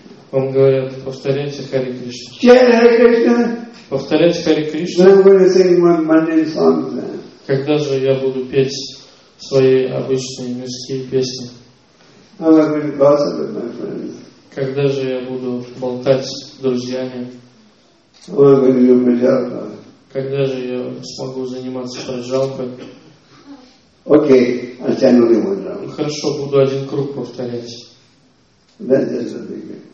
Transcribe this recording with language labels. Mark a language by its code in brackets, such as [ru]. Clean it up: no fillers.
[ru] Вам говорят, повторяйте Хари Кришна. [en] Chant Hare Krishna. [ru] Повторяйте Хари Кришна. [en] When I'm going to sing my mundane songs, then. [ru] Когда же я буду петь свои обычные мирские песни? [en] How am I going to gossip with my friends? [ru] Когда же я буду болтать с друзьями? [en] How am I going to do праджалпа? [ru] Когда же я смогу заниматься праджалпой? [en] Okay, I'll chant only one round. [ru] Хорошо, буду один круг повторять. [en] That is the beginning.